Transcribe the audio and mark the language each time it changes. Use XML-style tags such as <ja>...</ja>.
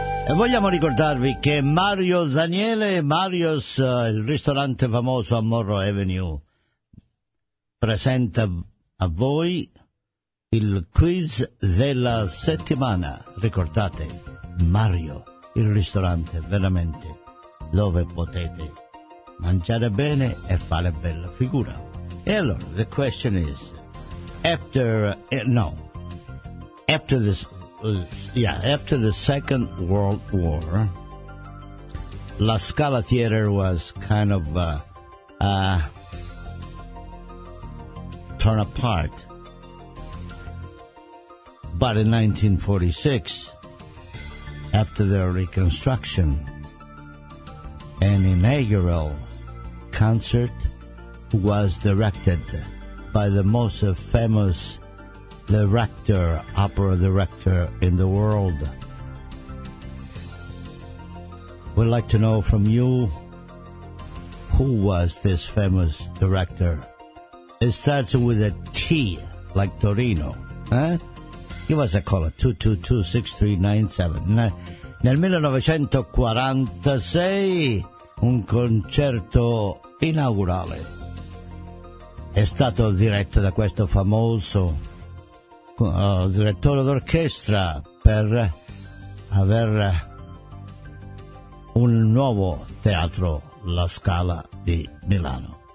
<it>E vogliamo ricordarvi che Mario Daniele, Mario's, il ristorante famoso a Morro Avenue, presenta a voi il quiz della settimana. Ricordate, Mario, il ristorante veramente dove potete mangiare bene e fare bella figura. E allora,</it> <en>the question is, after the Second World War, La Scala Theater was kind of torn apart. But in 1946, after their reconstruction, an inaugural concert was directed by the most famous director, opera director in the world. We'd like to know from you, who was this famous director? It starts with a T, like Torino, eh? Give us a call at 222-6397.</en> <it>Nel 1946, un concerto inaugurale è stato diretto da questo famoso direttore d'orchestra per avere un nuovo teatro, La Scala di Milano.</it>